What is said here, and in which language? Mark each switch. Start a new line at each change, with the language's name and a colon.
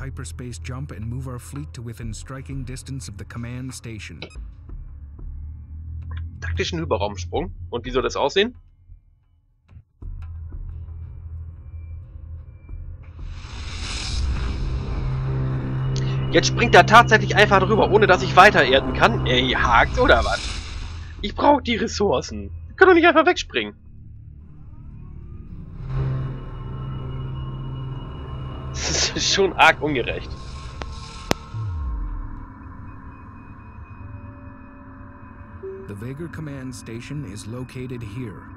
English: Hyperspace jump and move our fleet to within striking distance of the command station.
German: Taktischen Hyperraumsprung. Und wie soll das aussehen? Jetzt springt er tatsächlich einfach drüber, ohne dass ich weiter erden kann. Ey, hakt oder was? Ich brauche die Ressourcen. Ich kann doch nicht einfach wegspringen. Das ist schon arg ungerecht.
English: The Vega Command Station is located here.